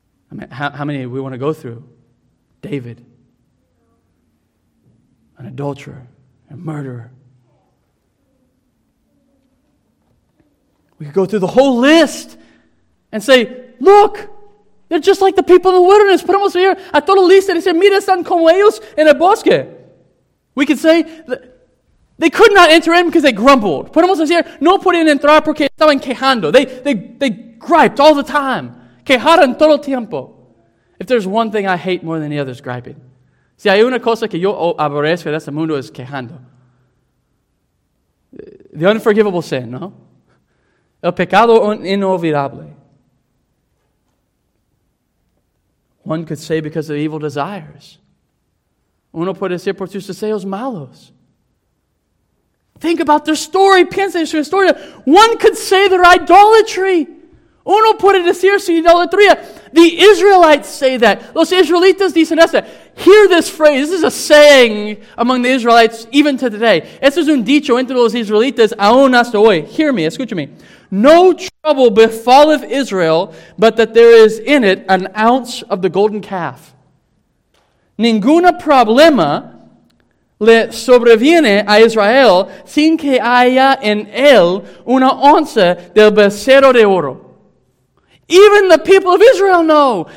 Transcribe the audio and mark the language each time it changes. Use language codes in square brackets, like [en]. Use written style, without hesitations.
[en] I mean, how many do we want to go through? David. An adulterer. A murderer. We could go through the whole list and say, look, they're just like the people in the wilderness. [es] Podemos ir a toda lista y decir, mira, están como ellos en el bosque. [en] We could say, they could not enter in because they grumbled. [es] Podemos decir, no pueden entrar porque estaban quejando. [en] They griped all the time. [es] Quejaron todo el tiempo. [en] If there's one thing I hate more than the others, griping. [es] Si hay una cosa que yo aborrezco en este mundo es quejando. [en] The unforgivable sin, no? [es] El pecado inolvidable. [en] One could say because of evil desires. [es] Uno puede decir por sus deseos malos. [en] Think about their story. [es] Piensa en su historia. [en] One could say their idolatry. [es] Uno puede decir su idolatría. [en] The Israelites say that. [es] Los israelitas dicen eso. [en] Hear this phrase. This is a saying among the Israelites even to today. [es] Esto es un dicho entre los israelitas aún hasta hoy. [en] Hear me. [es] Escucha me. [en] No trouble befalleth Israel, but that there is in it an ounce of the golden calf. [es] Ninguna problema le sobreviene a Israel sin que haya en él una onza del becerro de oro. [en] Even the people of Israel know.